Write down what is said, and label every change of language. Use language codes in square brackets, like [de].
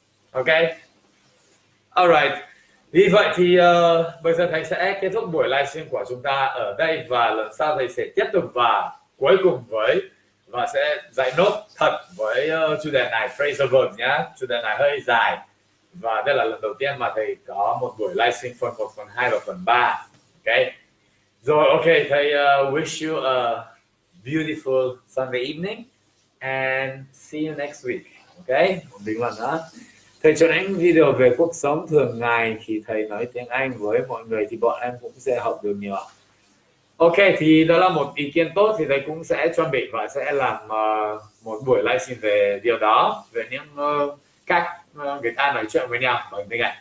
[vi] Ok, alright. Vì vậy thì bây giờ thầy sẽ kết thúc buổi livestream của chúng ta ở đây, và lần sau thầy sẽ tiếp tục và cuối cùng với và sẽ giải nốt thật với chủ đề này, Phrasal Verbs nhé. Chủ đề này hơi dài và đây là lần đầu tiên mà thầy có một buổi livestream phần 1, phần 2 và phần 3. [en] Ok, rồi, ok, thầy wish you a beautiful Sunday evening and see you next week. [vi] Ok, một bình luận nữa. Thầy cho đánh video về cuộc sống thường ngày khi thầy nói tiếng Anh với mọi người thì bọn em cũng sẽ học được nhiều ạ. Ok, thì đó là một ý kiến tốt, thì thầy cũng sẽ chuẩn bị và sẽ làm một buổi livestream về điều đó, về những cách người ta nói chuyện với nhau bằng tiếng Anh.